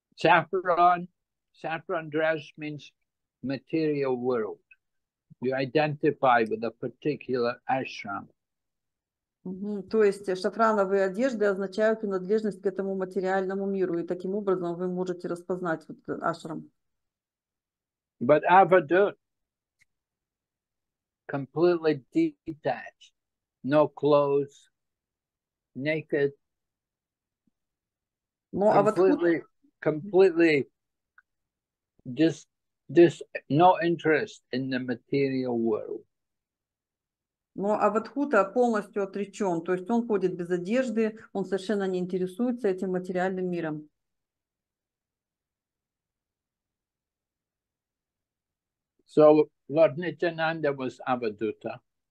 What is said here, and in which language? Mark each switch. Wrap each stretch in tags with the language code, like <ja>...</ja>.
<en>Saffron dress means material world. You identify with a particular ashram.</en> <ru>То есть шафрановые одежды означают принадлежность к этому материальному миру, и таким образом вы можете распознать вот ашрам.</ru> <en>But avadut completely detached, no clothes, naked, completely just no interest in the material world.</en> <ru>Но Аватхута полностью отречен, то есть он ходит без одежды, он совершенно не интересуется этим материальным миром.</ru> <en>So, Lord Nityananda was Avadhuta.</en>